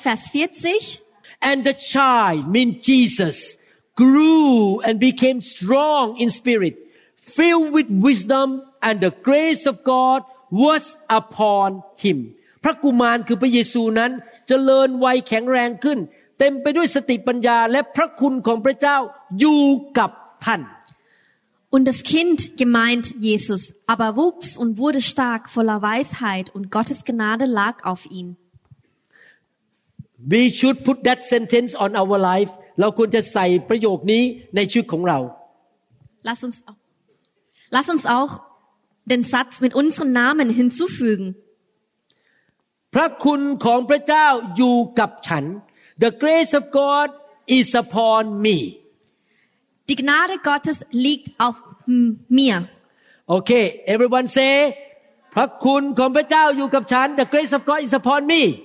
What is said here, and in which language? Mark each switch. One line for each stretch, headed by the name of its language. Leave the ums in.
English: Vers 40 And the child mean Jesus grew and became strong in spirit filled with wisdom and the grace of God was upon him
Thai: พระกุมารคือพระเยซูนั้นเจริญวัยแข็งแรงขึ้น เต็มไปด้วยสติปัญญา และพระคุณของพระเจ้าอยู่กับท่าน
German: Und das Kind gemeint Jesus, aber wuchs und wurde stark voller Weisheit und Gottes Gnade lag auf ihn.
English: We should put that sentence on our life.
German: Lass uns, lass uns auch den Satz mit unserem Namen hinzufügen.
Thai: พระคุณของพระเจ้าอยู่กับฉัน
English: The grace of God is upon me.
German: Die Gnade Gottes liegt auf mir.
English: Okay, everyone say,
Thai: พระคุณของพระเจ้าอยู่กับฉัน
English: The grace of God is upon me.